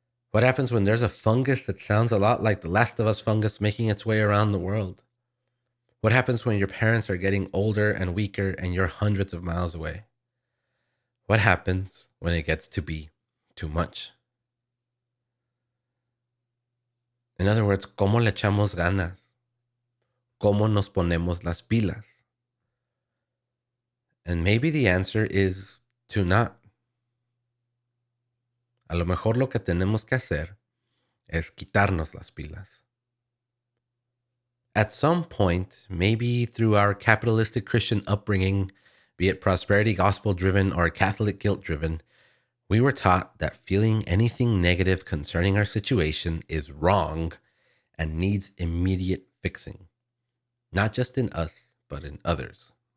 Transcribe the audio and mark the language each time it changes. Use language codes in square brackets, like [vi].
[en] What happens when there's a fungus that sounds a lot like the Last of Us fungus making its way around the world? What happens when your parents are getting older and weaker and you're hundreds of miles away? What happens when it gets to be too much? In other words, [es] ¿cómo le echamos ganas? ¿Cómo nos ponemos las pilas? [en] And maybe the answer is to not. [es] A lo mejor lo que tenemos que hacer es quitarnos las pilas. [en] At some point, maybe through our capitalistic Christian upbringing, be it prosperity gospel-driven or Catholic guilt-driven, we were taught that feeling anything negative concerning our situation is wrong and needs immediate fixing, not just in us, but in others.